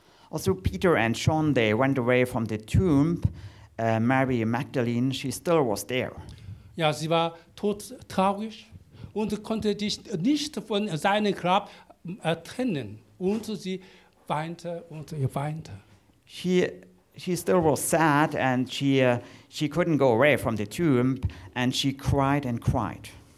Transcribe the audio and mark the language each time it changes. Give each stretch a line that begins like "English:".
English: Also Peter and John, they went away from the tomb. Mary Magdalene, she still was there.
German: Ja, sie war todtraurig und konnte sich nicht von seinem Grab trennen. Und sie weinte und weinte.
English: She still was sad and she couldn't go away from the tomb and she cried and cried.